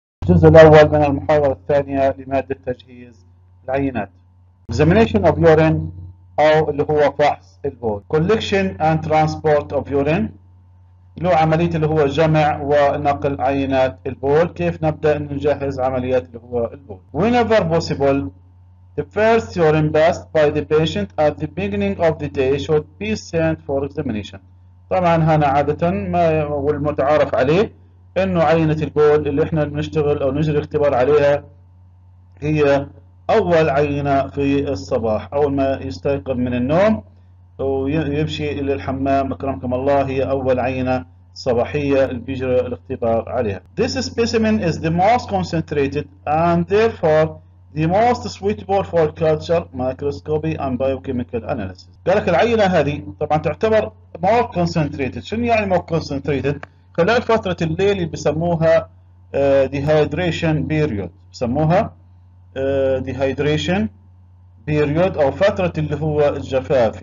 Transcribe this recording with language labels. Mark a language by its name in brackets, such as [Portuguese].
[Arabic] الجزء الأول من المحاضرة الثانية لمادة تجهيز العينات. [English] Examination of urine [Arabic] أو اللي هو فحص البول. [English] Collection and transport of urine [Arabic] اللي هو عملية اللي هو جمع ونقل عينات البول. كيف نبدأ نجهز عمليات اللي هو البول. [English] Whenever possible, the first urine passed by the patient at the beginning of the day should be sent for examination. [Arabic] طبعا هنا عادة ما والمتعارف عليه انه عينة البول اللي احنا بنشتغل او نجري اختبار عليها هي اول عينة في الصباح اول ما يستيقظ من النوم ويمشي الى الحمام اكرمكم الله هي اول عينة صباحية اللي بيجري الاختبار عليها. [English] This specimen is the most concentrated and therefore the most suitable for culture, microscopy and biochemical analysis. [Arabic] قالك العينة هذه طبعا تعتبر [English] more concentrated. [Arabic] شنو يعني [English] more concentrated؟ [Arabic] خلال فترة الليل بسموها [English] dehydration period [Arabic] بسموها dehydration period أو فترة اللي هو الجفاف.